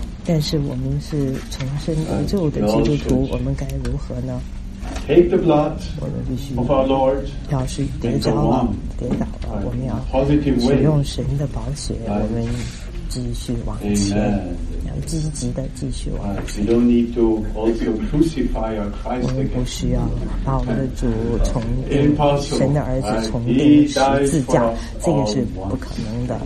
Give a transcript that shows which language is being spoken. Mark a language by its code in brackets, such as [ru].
[zh] 但是我们是重生得救的基督徒，我们该如何呢？ [en] Take the blood of our Lord. [zh] 要是跌倒了，我们要使用神的宝血，我们继续往前，要积极的继续往前。 [en] We don't need to also crucify our Christ. [zh] 我们不需要把我们的主重钉，神的儿子重钉十字架，这个是不可能的。